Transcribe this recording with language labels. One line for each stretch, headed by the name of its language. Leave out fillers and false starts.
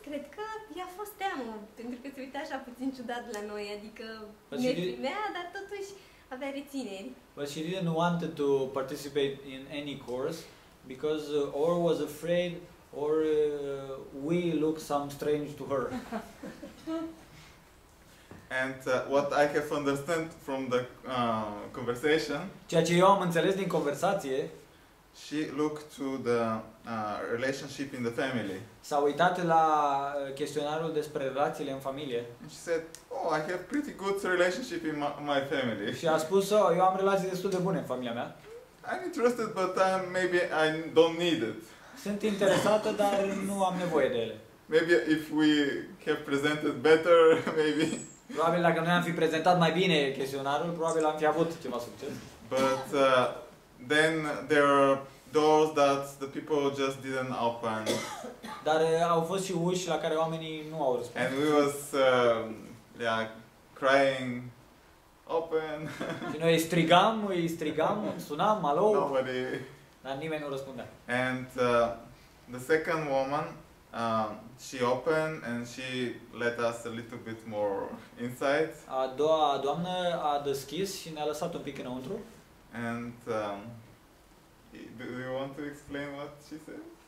Romanian: Cred că i-a fost teamă, pentru că se uita așa puțin ciudat la noi, adică ne primea, dar totuși avea rețineri.
English: But she didn't want to participate in any course because or was afraid or we look some strange to her. And what I have understood from the conversation.
Romanian: Ceea ce eu am înțeles din conversație.
English: She looked to the relationship in the family.
Romanian: S-a uitat la chestionarul despre relațiile în familie.
English: And she said, "Oh, I have pretty good relationship in my family."
Romanian: Și a spus, "Oh, eu am relații destul de bune în familia mea."
English: I'm interested, but maybe I don't need it.
Romanian: Sunt interesată, dar nu am nevoie de ele.
English: Maybe if we have presented better, maybe.
Romanian: Probabil dacă noi am fi prezentat mai bine chestionarul, probabil am fi avut ceva succes.
English: But then there are doors that the people just didn't open.
Romanian: Dar au fost și uși la care oamenii nu au răspuns.
English: And we was crying, open.
Romanian: Și noi strigam, sunam, alo.
English: Nobody.
Romanian: Dar nimeni nu răspundea.
English: And the second woman, she opened and she let us a little bit more inside.
Romanian: A doua doamnă a deschis și ne-a lăsat un pic înăuntru.
English: And do you want to explain what she said?